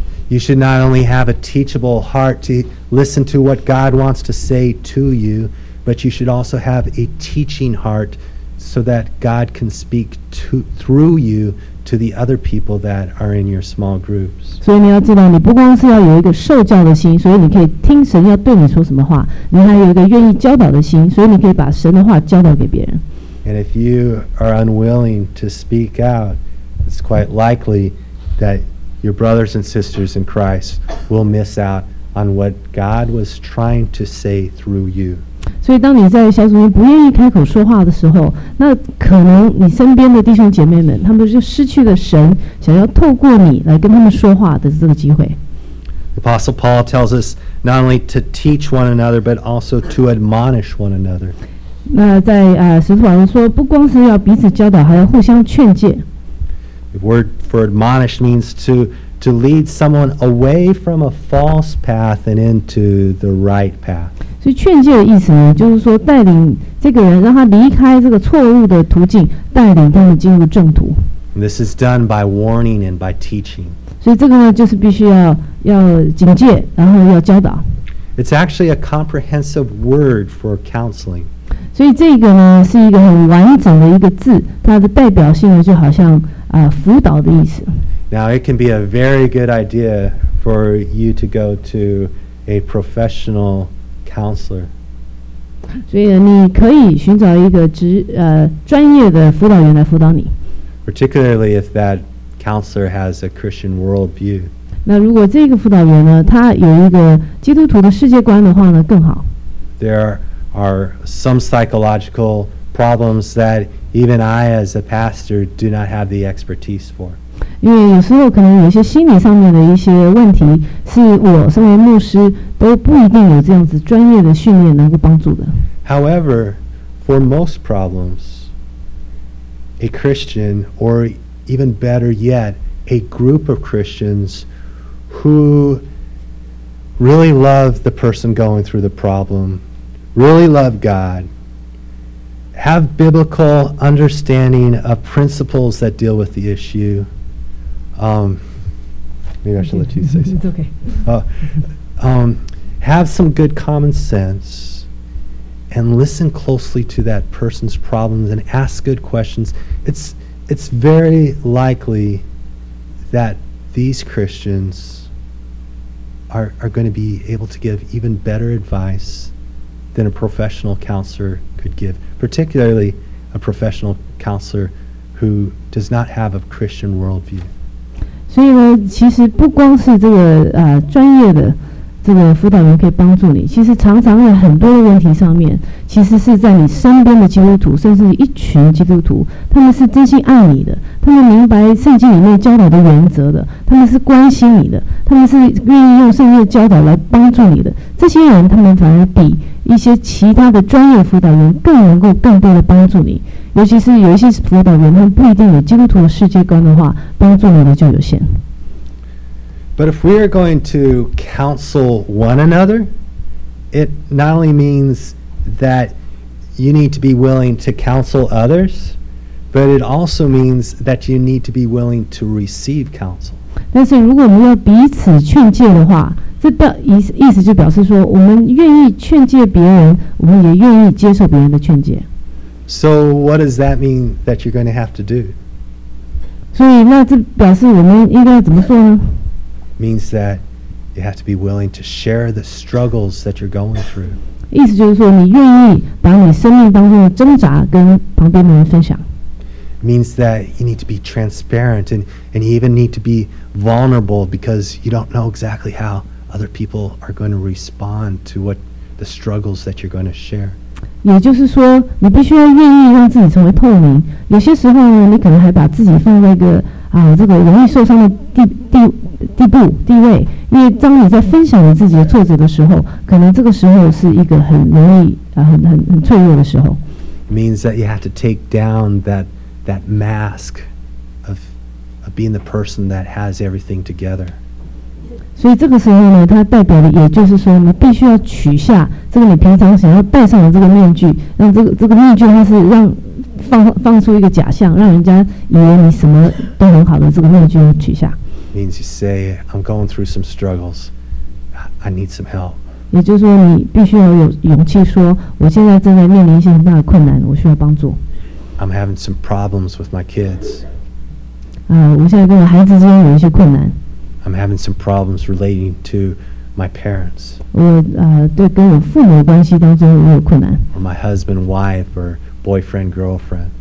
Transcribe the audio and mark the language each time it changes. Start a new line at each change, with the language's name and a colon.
English: You should not only have a teachable heart to listen to what God wants to say to you, but you should also have a teaching heart so that God can speak through you. To the other people that are in your small groups.
Chinese: 所以你要知道，你不光是要有一个受教的心，所以你可以听神要对你说什么话；你还有一个愿意教导的心，所以你可以把神的话教导给别人。
English: And if you are unwilling to speak out, it's quite likely that your brothers and sisters in Christ will miss out on what God was trying to say through you.
Chinese: 所以当你在小组里不愿意开口说话的时候，那可能你身边的弟兄姐妹们，他们就失去了神想要透过你来跟他们说话的这个机会。
English: The Apostle Paul tells us not only to teach one another, but also to admonish one another.
Chinese: 那在使徒保罗说，不光是要彼此教导，还要互相劝诫。
English: The word for admonish means to lead someone away from a false path and into the right path.
Chinese: 所以劝诫的意思呢，就是说带领这个人，让他离开这个错误的途径，带领他们进入正途。
English: This is done by warning and by teaching.
Chinese: 所以这个呢，就是必须要警戒，然后要教导。
English: It's actually a comprehensive word for counseling.
Chinese: 所以这个呢，是一个很完整的一个字，它的代表性呢，就好像辅导的意思。
English: Now it can be a very good idea for you to go to a professional counselor.
Chinese: 所以你可以寻找一个专业的辅导员来辅导你。
English: Particularly if that counselor has a Christian worldview.
Chinese: 那如果这个辅导员呢，他有一个基督徒的世界观的话呢，更好。
English: There are some psychological problems that even I, as a pastor, do not have the expertise for.
Chinese: 因为有时候可能有一些心理上面的一些问题，是我身为牧师都不一定有这样子专业的训练能够帮助的。
English: However, for most problems, a Christian, or even better yet, a group of Christians who really love the person going through the problem, really love God, have biblical understanding of principles that deal with the issue. Maybe I should let you say something. It's okay. Have some good common sense and listen closely to that person's problems and ask good questions. It's very likely that these Christians are going to be able to give even better advice than a professional counselor could give, particularly a professional counselor who does not have a Christian worldview.
Chinese: 所以呢，其实不光是这个专业的这个辅导员可以帮助你，其实常常在很多的问题上面，其实是在你身边的基督徒，甚至一群基督徒，他们是真心爱你的，他们明白圣经里面教导的原则的，他们是关心你的，他们是愿意用圣经的教导来帮助你的，这些人他们反而比一些其他的专业辅导员更能够更多的帮助你，尤其是有一些辅导员他们不一定有基督徒的世界观的话，帮助你的就有限。
English: But if we are going to counsel one another, it not only means that you need to be willing to counsel others, but it also means that you need to be willing to receive counsel.
Chinese: 但是如果我们要彼此劝诫的话，这意思就表示说，我们愿意劝诫别人，我们也愿意接受别人的劝诫。
English: So what does that mean that you're going to have to do?
Chinese: 所以那这表示我们应该怎么做呢？
English: Means that you have to be willing to share the struggles that you're going through.
Chinese: 意思就是说，你愿意把你生命当中的挣扎跟旁边的人分享。
English: Means that you need to be transparent and you even need to be vulnerable because you don't know exactly how other people are going to respond to what the struggles that you're going to share.
Chinese: 也就是说，你必须要愿意让自己成为透明。有些时候呢，你可能还把自己放在一个这个容易受伤的地位，因为当你在分享你自己的挫折的时候，可能这个时候是一个很容易很脆弱的时候。
English: Means that you have to take down that mask of being the person that has everything together.
Chinese: 所以这个时候呢，它代表的也就是说，你必须要取下这个你平常想要戴上的这个面具，让这个面具它是让放出一个假象，让人家以为你什么都很好的这个面具取下。
English: Means you say I'm going through some struggles. I need some help.
Chinese: 也就是说，你必须要有勇气说，我现在正在面临一些很大的困难，我需要帮助。
English: I'm having some problems with my kids.
Chinese: 我现在跟我孩子之间有一些困难。
English: I'm having some problems relating to my parents.
Chinese: 我对跟我父母的关系当中我有困难。
English: Or my husband, wife, or boyfriend, girlfriend.